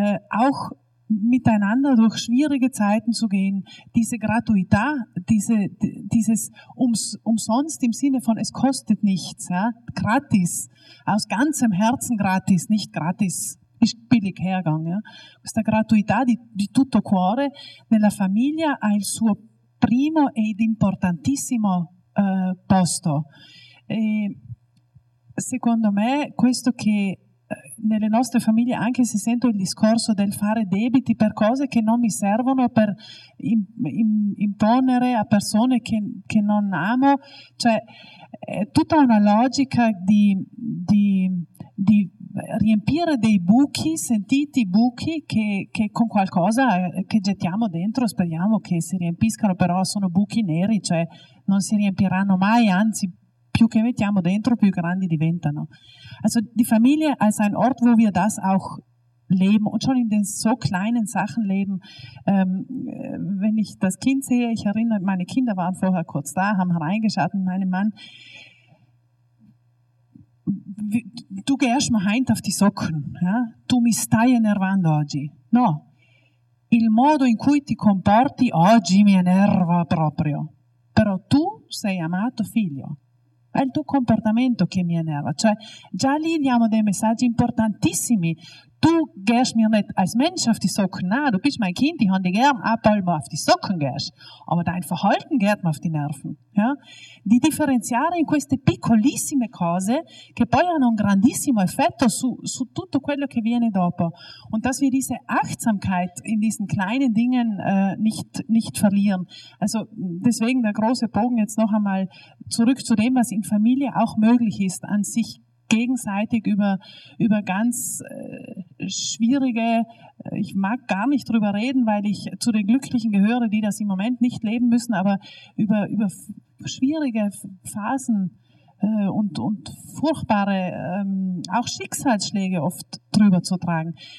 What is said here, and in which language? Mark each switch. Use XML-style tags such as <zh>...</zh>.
<de>Auch miteinander durch schwierige Zeiten zu gehen, diese Gratuität, dieses umsonst im Sinne von es kostet nichts, ja, gratis, aus ganzem Herzen gratis, nicht gratis. Ist billig hergegangen. Ja.</de> <it>Questa gratuità di tutto cuore nella famiglia ha il suo primo ed importantissimo posto. E secondo me, questo che nelle nostre famiglie, anche se sento il discorso del fare debiti per cose che non mi servono, per imponere a persone che non amo, cioè è tutta una logica di riempire dei buchi, sentiti buchi che con qualcosa che gettiamo dentro, speriamo che si riempiscano, però sono buchi neri, cioè non si riempiranno mai, anzi più che mettiamo dentro più grandi diventano.</it> <de>Also die Familie als ein Ort, wo wir das auch leben und schon in den so kleinen Sachen leben. Wenn ich das Kind sehe, ich erinnere, meine Kinder waren vorher kurz da, haben hereingeschaut und meinem Mann, du gehst mir heint auf die Socken, ja?</de> <it>Tu mi stai enervando oggi. No, il modo in cui ti comporti oggi mi enerva proprio. Però tu sei amato figlio. È il tuo comportamento che mi enerva. Cioè, già lì diamo dei messaggi importantissimi.</it> <de>du gehst mir nicht als Mensch auf die Socken. Nein, du bist mein Kind, ich habe dich gern, auch weil du auf die Socken gehst. Aber dein Verhalten geht mir auf die Nerven. Ja?</de> <it>Die differenziare in queste piccolissime cose che poi hanno un grandissimo effetto su tutto quello che viene dopo.</it> <de>Und dass wir diese Achtsamkeit in diesen kleinen Dingen nicht verlieren. Also deswegen der große Bogen jetzt noch einmal zurück zu dem, was in Familie auch möglich ist, an sich gegenseitig über ganz schwierige, ich mag gar nicht drüber reden, weil ich zu den Glücklichen gehöre, die das im Moment nicht leben müssen, aber über schwierige Phasen und furchtbare, auch Schicksalsschläge oft drüber zu tragen.</de>